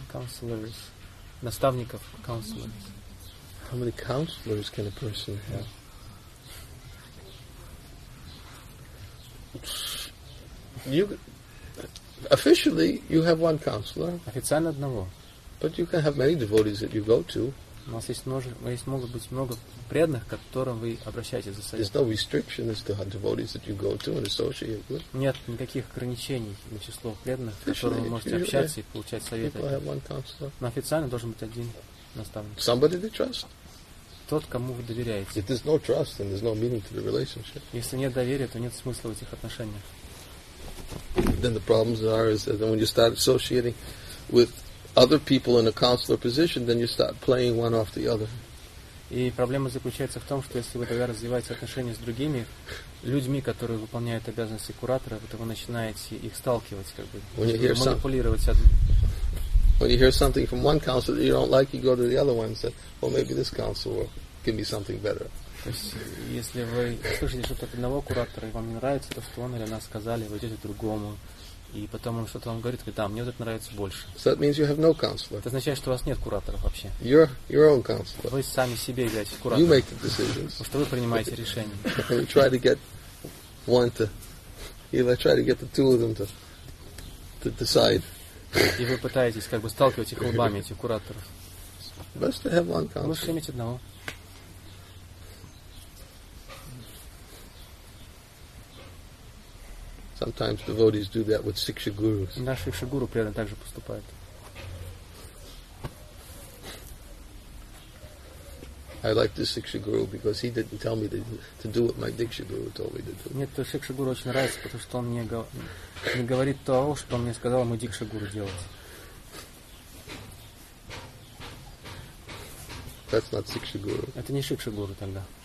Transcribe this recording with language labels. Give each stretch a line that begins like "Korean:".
English: Counselors. Наставников, counselors. How many counselors can a person have? You, officially, you have one counselor.
Russian: Официально одного.
English: But you can have many devotees that you go to.
Russian: У нас есть множество, есть могут быть много преданных, к которым вы обращаетесь за советом.
English: There's no restriction as to how devotees that you go to and associate with.
Russian: Нет никаких ограничений на число преданных, с которыми вы можете общаться и получать советы.
English: People have one counselor.
Russian: Но официально должен быть один наставник.
English: Somebody they trust.
Russian: Тот, кому вы доверяете.
English: If there's no trust, then there's no meaning to the relationship.
Russian: Если нет доверия, то нет смысла в этих отношениях.
English: Then the problems are is that when you start associating with other people in a counselor position, then you start playing one off the other.
Russian: И проблема заключается в том, что если вы тогда развиваете отношения с другими людьми, которые выполняют обязанности куратора, вы начинаете их сталкивать, как бы манипулировать одним.
English: When you hear something from one counselor that you don't like, you go to the other one and say, well, maybe this counselor can be something better.
Russian: То есть, если вы слышите что-то от одного куратора и вам не нравится то, что он или она сказали, вы идете к другому. И потом он что-то вам говорит, говорит, да, мне вот это нравится больше.
English: So that means you have no counselor.
Russian: Это означает, что у вас нет кураторов вообще.
English: Your own counselor.
Russian: Вы сами себе являетесь куратором.
English: You make the decisions.
Russian: Потому что вы принимаете решения.
English: And you try to get one to, you know, try to get the two of them to decide.
Russian: И вы пытаетесь как бы сталкивать их лбами, этих кураторов.
English: Best to have one counselor.
Russian: Лучше иметь одного.
English: Sometimes devotees do that with Siksha Gurus.
Russian: Наш Сикша Гуру примерно так же поступает.
English: I like this Siksha Guru because he didn't tell me to do what my Diksha Guru told me to do.
Russian: Мне этот Сикша Гуру очень нравится, потому что он мне не говорит то, что он мне сказал мой Диксха Гуру делать.
English: That's not Siksha Guru.
Russian: Это не Сикша Гуру тогда.